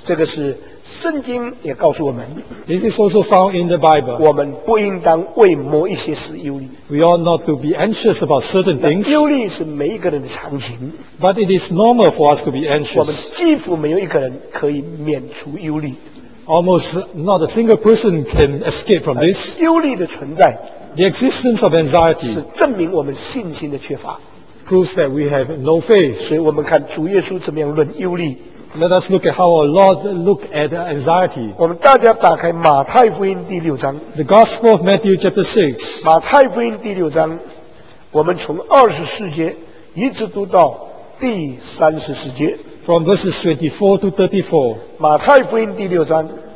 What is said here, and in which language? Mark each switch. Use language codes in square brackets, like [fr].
[zh] 这个是圣经也告诉我们。 [en] This is also found in the Bible。 [zh] 我们不应当为某一些事忧虑。 [en] We ought not to be anxious about certain things。 [zh] 忧虑是每一个人的常情。 [en] But it is normal for us to be anxious。 [zh] 我们几乎没有一个人可以免除忧虑。 [en] Almost not a single person can escape from this. [zh] 忧虑的存在 [en] The existence of anxiety [zh] 是证明我们信心的缺乏 [en] proves that we have no faith. [zh] 所以我们看主耶稣怎么样论忧虑 [en] Let us look at how our Lord looked at anxiety. [zh] 我们大家打开马太福音第六章 [en] The Gospel of Matthew chapter 6. [zh] 马太福音第六章我们从二十四节一直读到第三十四节 [en] From verses 24 to 34. [zh] 马太福音第六章